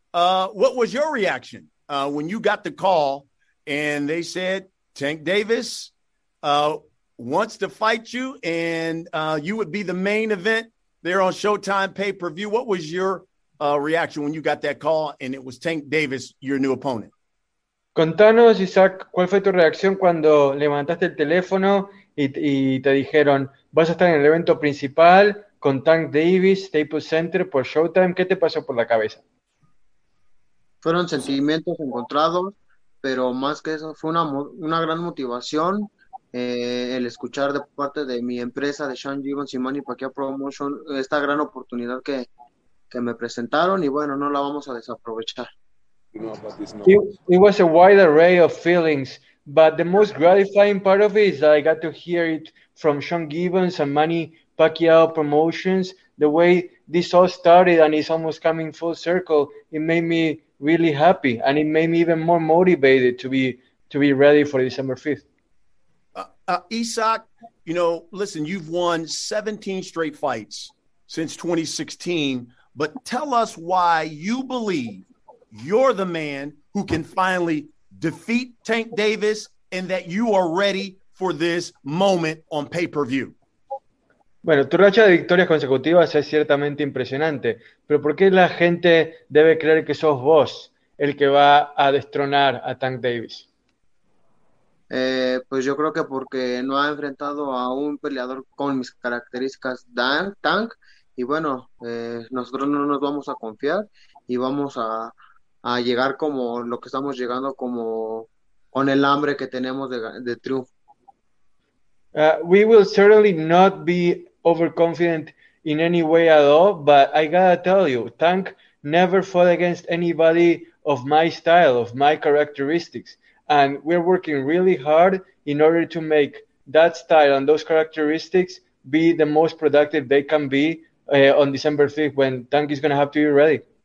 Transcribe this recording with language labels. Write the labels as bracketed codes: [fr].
[en] What was your reaction when you got the call and they said Tank Davis wants to fight you and you would be the main event there on Showtime pay-per-view? What was your reaction when you got that call and it was Tank Davis, your new opponent? [es] Contanos, Issac, ¿cuál fue tu reacción cuando levantaste el teléfono y te dijeron vas a estar en el evento principal con Tank Davis, Staples Center por Showtime? ¿Qué te pasó por la cabeza? Fueron sentimientos encontrados, pero más que eso fue una gran motivación el escuchar de parte de mi empresa, de Sean Givens y Manny Pacquiao Promotion, esta gran oportunidad que me presentaron, y bueno, no la vamos a desaprovechar. [en] It was a wide array of feelings, but the most gratifying part of it is that I got to hear it from Sean Givens and Manny Pacquiao Promotions. The way this all started and it's almost coming full circle, it made me really happy, and it made me even more motivated to be ready for December 5th. Issac, you know, listen, you've won 17 straight fights since 2016, but tell us why you believe you're the man who can finally defeat Tank Davis and that you are ready for this moment on pay-per-view. [es] Bueno, tu racha de victorias consecutivas es ciertamente impresionante, pero ¿por qué la gente debe creer que sos vos el que va a destronar a Tank Davis? Pues yo creo que porque no ha enfrentado a un peleador con mis características Tank, y bueno, nosotros no nos vamos a confiar y vamos a llegar como lo que estamos llegando, como con el hambre que tenemos de triunfo. [en] We will certainly not be overconfident in any way at all, but I gotta tell you, Tank never fought against anybody of my style, of my characteristics, and we're working really hard in order to make that style and those characteristics be the most productive they can be on December 5th when Tank is gonna have to be ready.